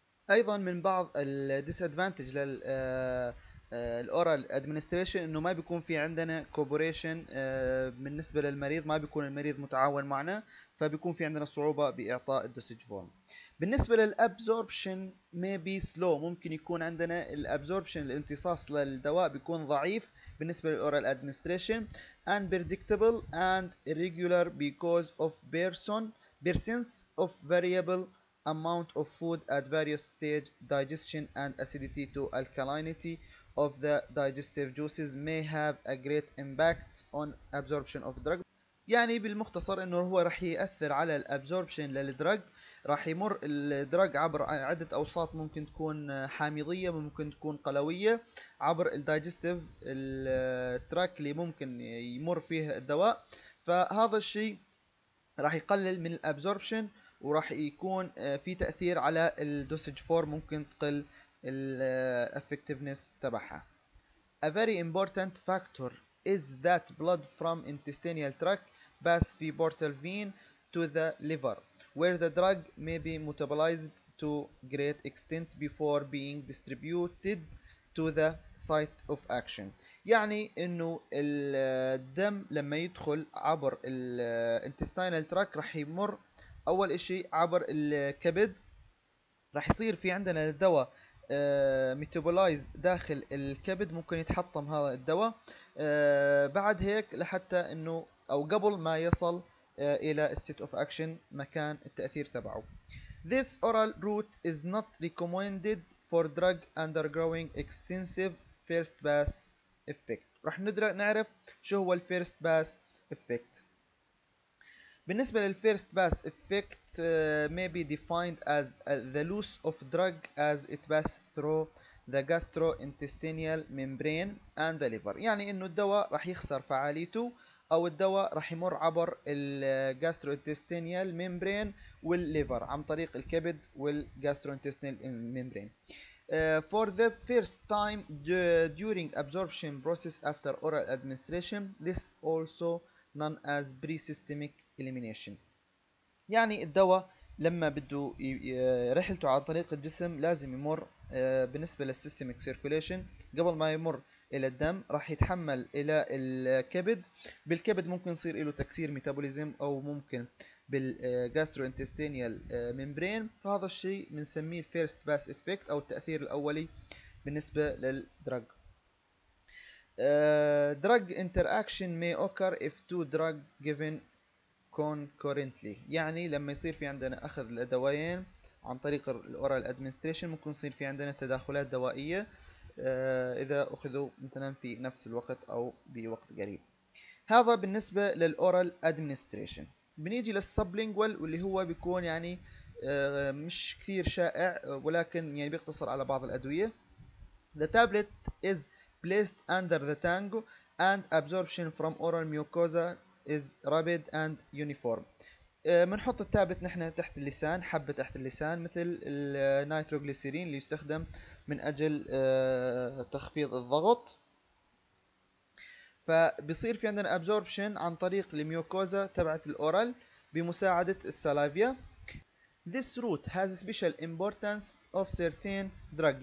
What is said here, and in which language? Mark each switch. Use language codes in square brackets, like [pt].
[ar] أيضا من بعض الديسادفانتج للأورال administration إنه ما بيكون في عندنا cooperation بالنسبة للمريض، ما بيكون المريض متعاون معنا، فبيكون في عندنا صعوبة بإعطاء الدوسج فورم. بالنسبة للأبزوربشن [en] maybe slow، [ar] ممكن يكون عندنا الأبزوربشن الامتصاص للدواء بيكون ضعيف بالنسبة للأورال administration. [en] Unpredictable and irregular because of persons of variable amount of food at various stage digestion and acidity to alkalinity of the digestive juices may have a great impact on absorption of drug. [ar] يعني بالمختصر انه هو رح يأثر على الابزوربشن للدرج، رح يمر الدرج عبر عدة اوساط، ممكن تكون حامضية ممكن تكون قلوية، عبر الدايجستيف التراك اللي ممكن يمر فيه الدواء، فهذا الشيء رح يقلل من الابزوربشن ورح يكون في تأثير على الدوسج فور، ممكن تقل الافكتيفنس تبعها. [en] A very important factor is that blood from intestinal tract pass في portal vein to the liver where the drug may be metabolized to great extent before being distributed to the site of action. [ar] يعني انه الدم لما يدخل عبر intestinal tract رح يمر اول اشي عبر الكبد، رح يصير في عندنا الدواء metabolized داخل الكبد، ممكن يتحطم هذا الدواء، بعد هيك لحتى انه او قبل ما يصل الى state of action مكان التأثير تبعه. [en] This oral route is not recommended for drug undergoing extensive first pass effect. [ar] رح ندرك نعرف شو هو الفيرست باس افكت. بالنسبة [en] للفيرست pass effect may be defined as the loss of drug as it passes through the gastrointestinal membrane and the liver. [ar] يعني انه الدواء رح يخسر فعاليته او الدواء رح يمر عبر الgastrointestinal membrane والليفر عن طريق الكبد والgastrointestinal membrane. [en] For the first time during absorption process after oral administration, this also known as pre-systemic elimination. [ar] يعني الدواء لما بده رحلته على طريق الجسم لازم يمر بالنسبة للsystemic circulation قبل ما يمر إلى الدم راح يتحمل إلى الكبد. بالكبد ممكن يصير له تكسير ميتابوليزم أو ممكن بالgastrointestinal membrane. فهذا الشيء بنسميه first pass effect أو التأثير الأولي بالنسبة للدرج. [en] Drug interaction may occur if two drug given concurrently. [ar] يعني لما يصير في عندنا أخذ الأدوين عن طريق الأورال administration ممكن يصير في عندنا تداخلات دوائية إذا أخذوا مثلاً في نفس الوقت أو بوقت قريب. هذا بالنسبة للأورال administration. بنيجي للسبلينجوال واللي هو بيكون يعني مش كثير شائع ولكن يعني بيقتصر على بعض الأدوية. [en] The tablet is placed under the tongue and absorption from oral mucosa is rapid and uniform. [ar] منحط التابلت نحن تحت اللسان حبة تحت اللسان مثل النيتروغليسيرين اللي يستخدم من أجل تخفيض الضغط. فبيصير في عندنا absorption عن طريق الميوكوزا تبعت الأورال بمساعدة السلافيا. [en] This route has special importance of certain drug.